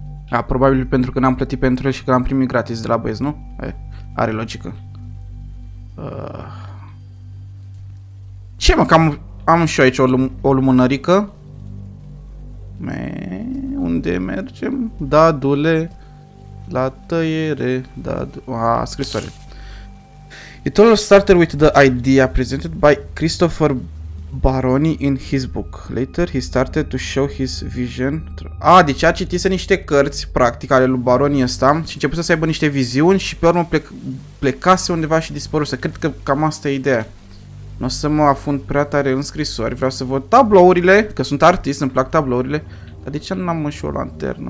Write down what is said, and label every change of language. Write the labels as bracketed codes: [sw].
[ro] A, probabil pentru că n-am plătit pentru el și că l-am primit gratis de la băieți, nu? Are logică. Ce mă, că am și eu aici o lumânărică. Unde mergem? Dadule, la tăiere, scrisoare. [en] It all started with the idea presented by Christopher Baroni in his book. Later, he started to show his vision. [ro] Deci a citit niște cărți, practic, ale lui Baroni ăsta și începuse să aibă niște viziuni și pe urmă plecase undeva și dispăruse. Cred că cam asta e ideea. Nu o să mă afund prea tare în scrisori. Vreau să văd tablourile, că sunt artist, îmi plac tablourile. Dar de ce n-am și o lanternă?